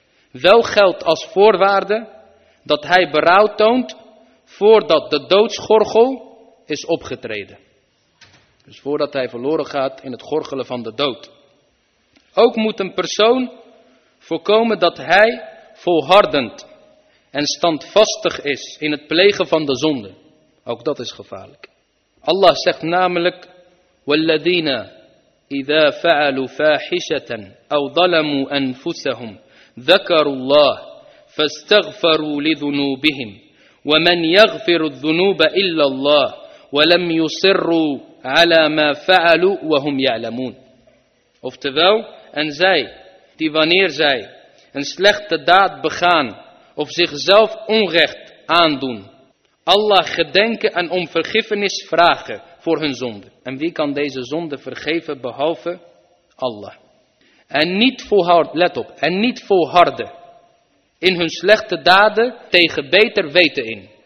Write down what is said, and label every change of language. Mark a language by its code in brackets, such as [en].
[nl] Wel geldt als voorwaarde dat hij berouw toont voordat de doodsgorgel is opgetreden. Dus voordat hij verloren gaat in het gorgelen van de dood. Ook moet een persoon voorkomen dat hij volhardend en standvastig is in het plegen van de zonde. Ook dat is gevaarlijk. Allah zegt namelijk: [ar] وَالَّذِينَ إِذَا فَعَلُوا فَاحِشَةً أَوْ ظَلَمُوا أَنفُسَهُمْ ذَكَرُوا اللَّهِ فَاسْتَغْفَرُوا لِذُنُوبِهِمْ وَمَنْ يَغْفِرُ الذُّنُوبَ إِلَّا اللَّهِ وَلَمْ يُصِرُّوا عَلَى مَا فَعَلُوا وَهُمْ يَعْلَمُونَ. [nl] Oftewel, en zij die wanneer zij een slechte daad begaan of zichzelf onrecht aandoen, Allah gedenken en om vergiffenis vragen voor hun zonde. En wie kan deze zonde vergeven behalve Allah? En niet volharden, let op, en niet volharden in hun slechte daden tegen beter weten in.